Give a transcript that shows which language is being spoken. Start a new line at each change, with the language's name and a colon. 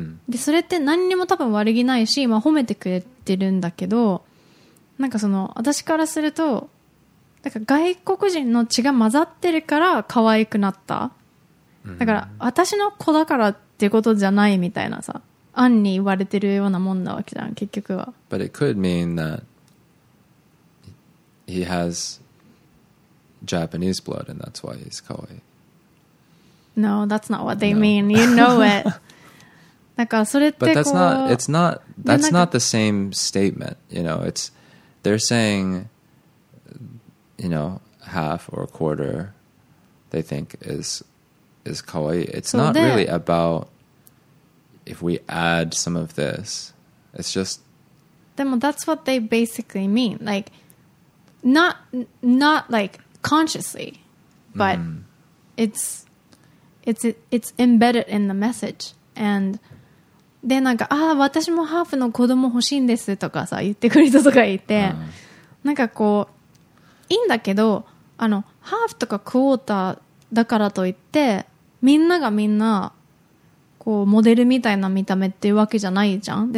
Japanese: でそれって何にも多分悪気ないし、まあ、褒めてくれてるんだけど、なんかその私からすると、なんか外国人の血が混ざってるから可愛くなった、だから私の子だからってことじゃないみたいなさ、暗に言われてるようなもんなわけじゃん、結局は。
English: But it could mean that he has Japanese blood and that's why he's 可愛い。 No, that's not what they mean. You know it. But that's not the same statement, you know. It's, they're saying, you know, half or a quarter they think is kawaii. It's not really about if we add some of this. It's just, demo, that's what they basically mean. Like, not like consciously, but it's embedded in the message.
Japanese: And で、なんか、ああ私もハーフの子供欲しいんですとかさ言ってくる人とかいて、なんかこういいんだけど、あのハーフとかクォーターだからといって、みんながみんなこうモデルみたいな見た目っていうわけじゃないじゃん。